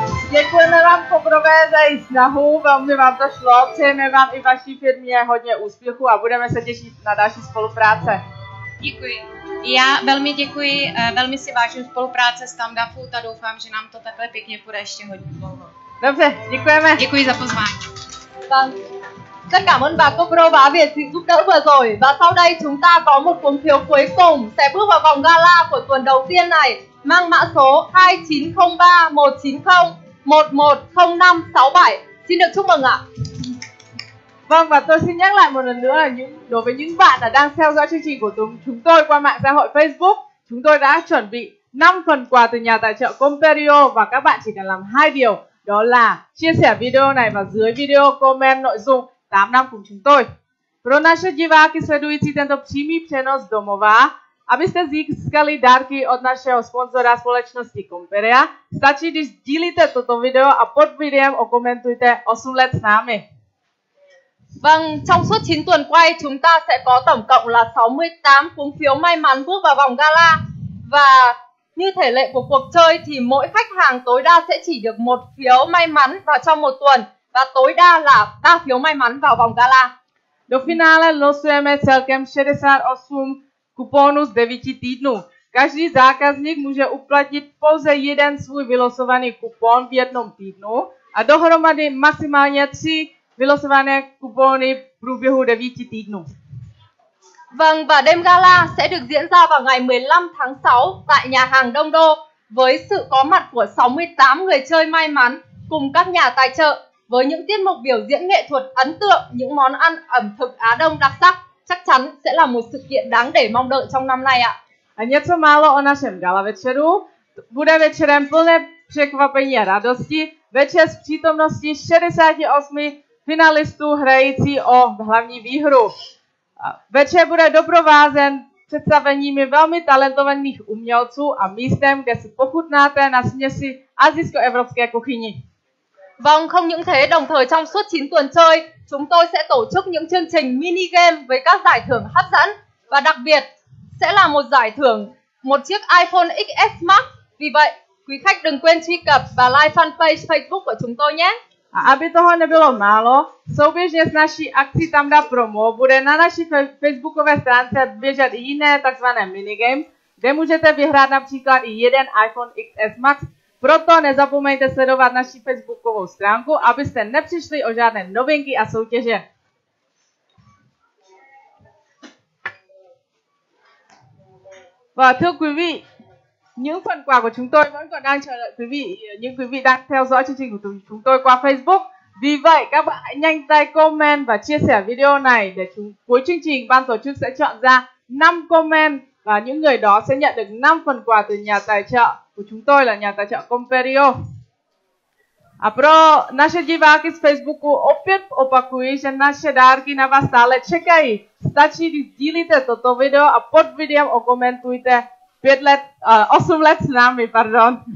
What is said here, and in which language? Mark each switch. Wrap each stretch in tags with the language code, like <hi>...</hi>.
<cs>Děkujeme vám poprvé za její snahu, velmi vám to šlo, přejeme vám i vaší firmě hodně úspěchu a budeme se těšit na další spolupráce. Děkuji. Já velmi děkuji, velmi si vážím spolupráce s Tamda Food a doufám, že nám to takhle pěkně půjde ještě hodně dlouho. Dobře, děkujeme. Děkuji za pozvání.</cs> <vi>Tất cả món bà cô pro và việc xin giúp đỡ vừa rồi. Và sau đây chúng ta có một cuộc thiếu cuối cùng sẽ bước vào vòng gala của tuần đầu tiên này, mang mã số 2903190110567. Xin được chúc mừng ạ. Vâng, và tôi xin nhắc lại một lần nữa là những đối với những bạn đã đang theo dõi chương trình của chúng tôi qua mạng xã hội Facebook, chúng tôi đã chuẩn bị 5 phần quà từ nhà tài trợ Comperio và các bạn chỉ cần làm 2 điều, đó là chia sẻ video này và dưới video comment nội dung 8 năm cùng chúng tôi.</vi> <cs>Pro naše diváky sledující tento přímý přenos domova, abyste získali dárky od našeho sponzora společnosti Comperia, stačí, když sdílíte toto video a pod videem okomentujte 8 let s námi.</cs> <vi>Vâng, trong suốt 9 tuần quay, chúng ta sẽ có tổng cộng là 68 cuốn phiếu may mắn bước vào vòng gala. Và như thể lệ của cuộc chơi thì mỗi khách hàng tối đa sẽ chỉ được 1 phiếu may mắn vào trong 1 tuần và tối đa là 3 phiếu may mắn vào vòng gala.</vi> <cs>Do finále losujeme celkem 68 kuponů z 9 týdnů. Každý zákazník může uplatnit pouze jeden svůj vylosovaný kupon v jednom týdnu a dohromady maximálně 3 vylosované kupony v průběhu 9 týdnů.</cs> <vi>Vâng, và đêm gala sẽ được diễn ra vào ngày 15 tháng 6 tại nhà hàng Đông Đô với sự có mặt của 68 người chơi may mắn cùng các nhà tài trợ với những tiết mục biểu diễn nghệ thuật ấn tượng, những món ăn ẩm thực Á Đông đặc sắc chắc chắn sẽ là một sự kiện đáng để mong đợi trong năm nay ạ.</vi> <cs>A něco málo o našem gala večeru. Bude večerem plné překvapení a radosti. Večer s přítomností 68 finalistů hrající o hlavní výhru. Večer bude doprovázen představeními velmi talentovaných umělců a místem, kde si pochutnáte na směsi asijsko-evropské kuchyni.</cs> <vi>Vâng, không những thế, đồng thời trong suốt 9 tuần chơi, chúng tôi sẽ tổ chức những chương trình mini game với các giải thưởng hấp dẫn và đặc biệt sẽ là một giải thưởng một chiếc iPhone XS Max. Vì vậy, quý khách đừng quên truy cập và like fanpage Facebook của chúng tôi nhé.</vi> <cs>A aby toho nebylo málo, souběžně s naší akcí Tamda Promo bude na naší facebookové stránce běžet i jiné takzvané minigame, kde můžete vyhrát například i jeden iPhone XS Max. Proto nezapomeňte sledovat naši facebookovou stránku, abyste nepřišli o žádné novinky a soutěže.</cs> <vi>Và thưa quý vị, những phần quà của chúng tôi vẫn còn đang chờ đợi quý vị, những quý vị đang theo dõi chương trình của chúng tôi qua Facebook. Vì vậy, các bạn hãy nhanh tay comment và chia sẻ video này để cuối chương trình ban tổ chức sẽ chọn ra 5 comment và những người đó sẽ nhận được 5 phần quà từ nhà tài trợ của chúng tôi là nhà tài trợ Comperio.</vi> <cs>A pro naše diváky z Facebooku opět opakuji, že naše dárky na vás stále čekají. Stačí, když sdílíte toto video a pod videem okomentujte 8 let s námi, pardon.</cs>